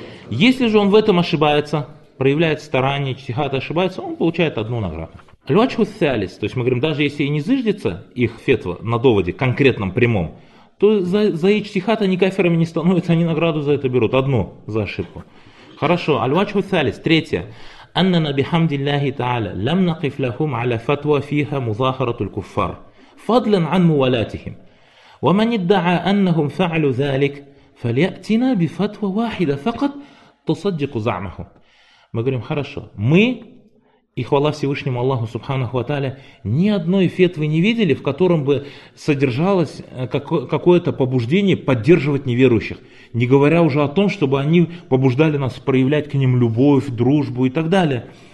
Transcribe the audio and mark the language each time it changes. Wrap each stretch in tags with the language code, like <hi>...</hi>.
<ru>Если же он в этом ошибается, проявляет старание, чтихат, ошибается, он получает одну награду.</ru> <ar>Львачху сялис,</ar> <ru>то есть мы говорим, даже если и не зыждется их фетва на доводе конкретном, прямом, то за ичтихат они кафирами не становятся, они награду за это берут, одну за ошибку. Хорошо,</ru> <ar>альвачху сялис,</ar> <ru>третье.</ru> <ar>أننا بحمد الله تعالى لم نقف لهم على فتوى فيها مظاهرة الكفار فضلا عن مولاتهم. ومن ادعى أنهم فعلوا ذلك فليأتنا بفتوى واحدة فقط تصدق زعمهم.</ar> <ru>Мы говорим, хорошо, мы и хвала Всевышнему Аллаху Субханаху Ва Тааля, ни одной фетвы не видели, в котором бы содержалось какое-то побуждение поддерживать неверующих. Не говоря уже о том, чтобы они побуждали нас проявлять к ним любовь, дружбу и так далее.</ru>